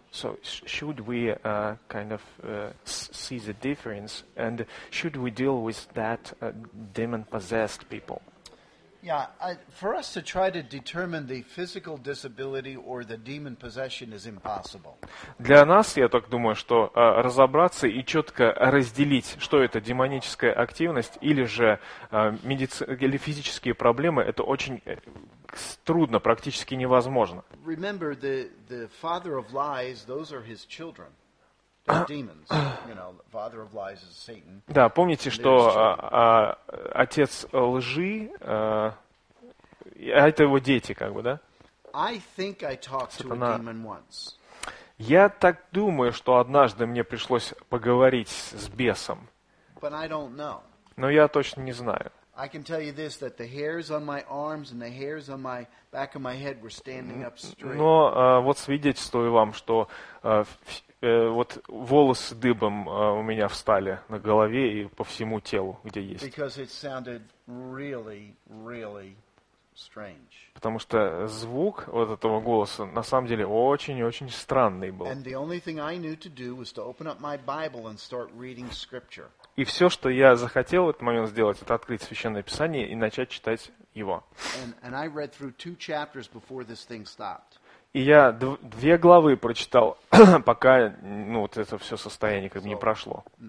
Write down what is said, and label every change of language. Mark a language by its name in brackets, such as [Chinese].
[English] So should we kind of see the difference, and should we deal with that demon-possessed people? Yeah, for us to try to determine the physical disability or the demon possession is impossible. [Russian] Для нас, я так думаю, что разобраться и четко разделить, что это демоническая активность или же или физические проблемы, это очень трудно, практически невозможно. [English] Remember the father of lies, those are his children. They're demons, you know, father of lies is Satan. [Russian] Да, помните, что отец лжи, это его дети, как бы, да? [English] I think I talked to a demon once. [Russian] Я так думаю, что однажды мне пришлось поговорить с бесом. [English] But I don't know. [Russian] Но я точно не знаю. [English] I can tell you this, that the hairs on my arms and the hairs on my back of my head were standing up straight. [Russian] Но вот свидетельствую вам, что вот волосы дыбом у меня встали на голове и по всему телу, где есть. [English] Because it sounded really, really strange. [Russian] Потому что звук вот этого голоса на самом деле очень-очень странный был. [English] And the only thing I knew to do was to open up my Bible and start reading scripture. [Russian] И все, что я захотел в этот момент сделать, это открыть Священное Писание и начать читать его. [English] And I read through two chapters before this thing stopped. [Russian] И я две главы прочитал, пока ну, вот это все состояние как бы не прошло.